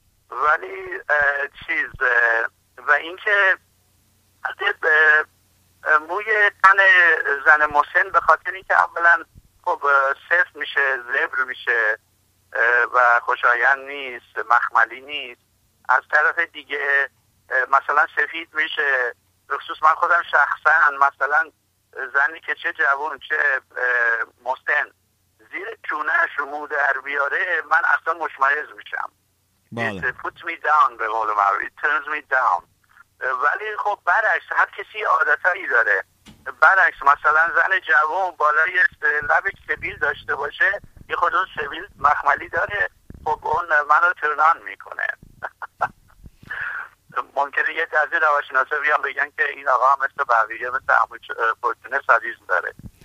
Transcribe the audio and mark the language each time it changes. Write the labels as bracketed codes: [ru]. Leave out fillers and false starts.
[fa] ولی چیز و این که به موی تن زن مسن به خاطر اینکه اولا خب سفت میشه، زبر میشه و خوشایند نیست، مخملی نیست. از طرف دیگه مثلا سفید میشه، به خصوص من خودم شخصا مثلا زنی که چه جوان چه مسن زیر چونهش رو مو در بیاره من اصلا مشمئز میشم. بله. [en] put me down [fa] به قول معروف، [en] it turns me down. [fa] ولی خب برعکس، هر کسی عادتایی داره. برعکس مثلا زن جوان بالای لبش سبیل داشته باشه، یه خود اون سبیل مخملی داره، خب اون منو ترنان میکنه. ممکنه یه تعدادی روانشناسا بیان بگن که این آقا هم مثل بقیه مثل عمو پرچونه سادیسم داره.